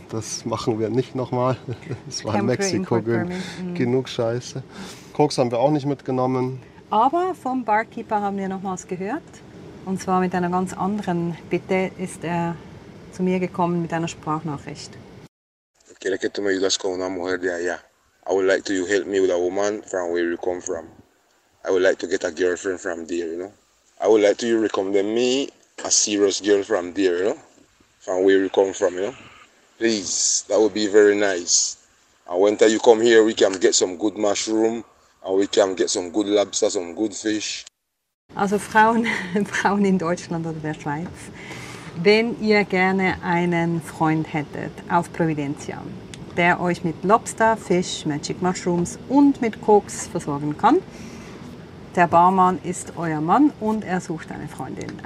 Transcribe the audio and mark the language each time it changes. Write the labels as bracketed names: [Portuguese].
[German] Das machen wir nicht nochmal. Es war in Mexiko genug Scheiße. Koks haben wir auch nicht mitgenommen. Aber vom Barkeeper haben wir nochmals gehört. Und zwar mit einer ganz anderen Bitte ist er zu mir gekommen mit einer Sprachnachricht. [Spanish] Quiero que tú me ayudas con una mujer de allá. [English] I would like to you help me with a woman from where you come from. I would like to get a girlfriend from there, you know. I would like to you recommend me a serious girl from there, you know. From where you come from, you know. Please, that would be very nice. And when you come here, we can get some good mushroom. And we can get some good lobster, some good fish. [German] Also Frauen in Deutschland oder der Schweiz, wenn ihr gerne einen Freund hättet auf Providencia, der euch mit Lobster, Fisch, Magic Mushrooms und mit Koks versorgen kann, der Barmann ist euer Mann und er sucht eine Freundin.